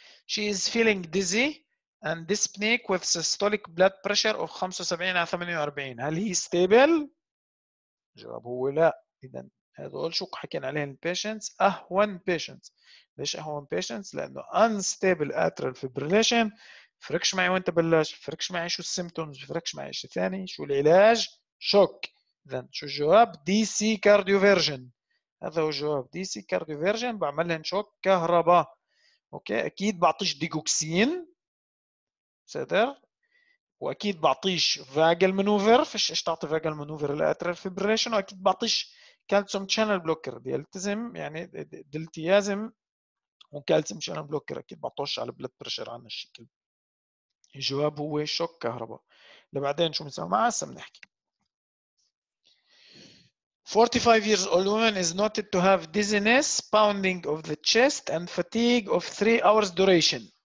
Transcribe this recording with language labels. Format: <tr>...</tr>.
<en>She is feeling dizzy and dyspneic with systolic blood pressure of 75</en> <ar>على</ar> <en>48.</en> <ar>هل هي stable؟ الجواب هو لا. اذا هذول شو حكينا عليهم patients اهون patients. ليش اهون patients؟ لانه</ar> <en>unstable atrial fibrillation.</en> <ar>فرقش معي وانت بلش، فرقش معي شو السيمتومز، فرقش معي شيء ثاني، شو العلاج؟ شوك. اذا شو الجواب؟ دي سي كارديوفيرجن. هذا هو الجواب، دي سي كارديوفيرجن بعمل لهم شوك كهرباء. اوكي اكيد بعطيش ديكوكسين ستر واكيد بعطيش فاجل مانوفر، فش ايش تعطي فاجل مانوفر للاتريال فيبريشن، واكيد بعطيش كالسيوم شانل بلوكر بيلتزم يعني دلتيازم وكالسيوم شانل بلوكر اكيد بعطوش على بلد بريشر عن الشكل. الجواب هو شوك كهرباء. لبعدين شو بنسوي معها هسه بنحكي.</ar> <en>45 years old woman is noted to have dizziness, pounding of the chest and fatigue of 3 hours duration.</en>